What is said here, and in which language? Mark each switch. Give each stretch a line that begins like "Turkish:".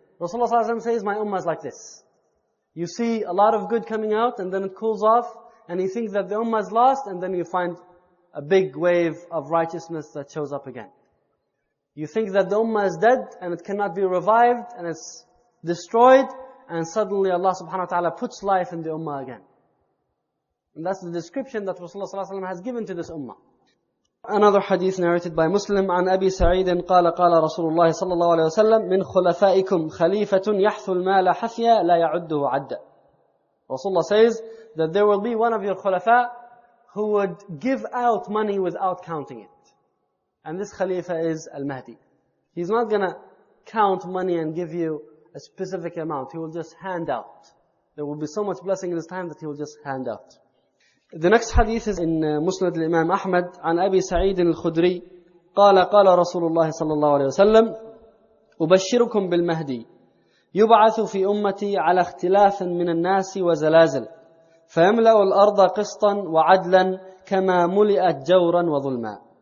English: Rasulullah sallallahu alayhi wa sallam says, my ummah is like this. You see a lot of good coming out, and then it cools off, and you think that the ummah is lost, and then you find a big wave of righteousness that shows up again. You think that the ummah is dead, and it cannot be revived, and it's destroyed, and suddenly Allah subhanahu wa ta'ala puts life in the ummah again. And that's the description that Rasulullah sallallahu alayhi wa sallam has given to this ummah. Another hadith narrated by Muslim,
Arabic: عن أبي سعيد قال قال رسول الله صلى الله عليه وسلم من خلفائكم خليفة يحث المال حفيا لا يعده عدا.
English: Rasulullah says that there will be one of your khulafa who would give out money without counting it. And this khalifa is Al-Mahdi. He's not going to count money and give you a specific amount. He will just hand out. There will be so much blessing in his time that he will just hand out. The next hadith is in Musnad al-Imam Ahmad
Arabic: عن أبي سعيد الخدري قال قال رسول الله صلى الله عليه وسلم أبشركم بالمهدي يبعث في أمتي على اختلاف من الناس وزلازل فيملأ الأرض قسطا وعدلا كما ملئت جورا وظلما.